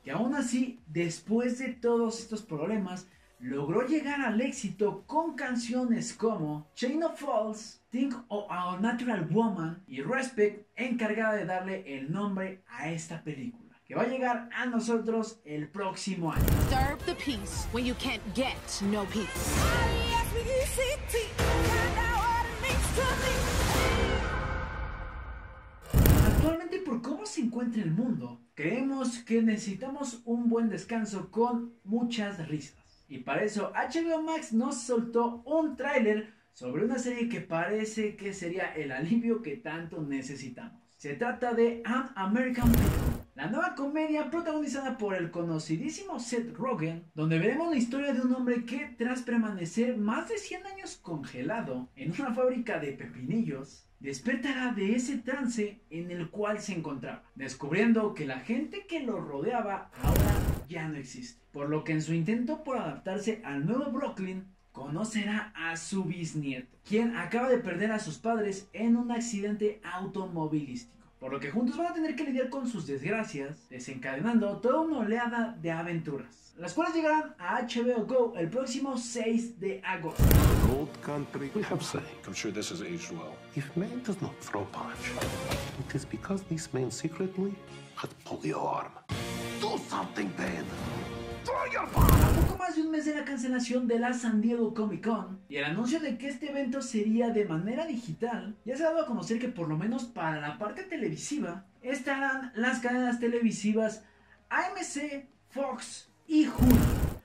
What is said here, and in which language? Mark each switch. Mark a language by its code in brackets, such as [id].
[es] Que aún así, después de todos estos problemas, logró llegar al éxito con canciones como Chain of Falls, Think of a Natural Woman y Respect, encargada de darle el nombre a esta película, que va a llegar a nosotros el próximo año. [en] Disturb the peace when you can't get no peace. [es] Actualmente, por cómo se encuentra el mundo, creemos que necesitamos un buen descanso con muchas risas. Y para eso, HBO Max nos soltó un tráiler sobre una serie que parece que sería el alivio que tanto necesitamos. Se trata de An American Pickle, la nueva comedia protagonizada por el conocidísimo Seth Rogen, donde veremos la historia de un hombre que, tras permanecer más de 100 años congelado en una fábrica de pepinillos, despertará de ese trance en el cual se encontraba, descubriendo que la gente que lo rodeaba ahora ya no existe. Por lo que, en su intento por adaptarse al nuevo Brooklyn, conocerá a su bisnieto, quien acaba de perder a sus padres en un accidente automovilístico. Por lo que juntos van a tener que lidiar con sus desgracias, desencadenando toda una oleada de aventuras, las cuales llegarán a HBO Go el próximo 6 de agosto. [en] Old country, we have say. I'm sure this has aged well. If man does not throw punch, it is because this man secretly had polio arm. Do something, Ben. Throw your punch. [es] A poco más de un mes de la cancelación de la San Diego Comic Con y el anuncio de que este evento sería de manera digital, ya se ha dado a conocer que por lo menos para la parte televisiva estarán las cadenas televisivas AMC, Fox y Hulu.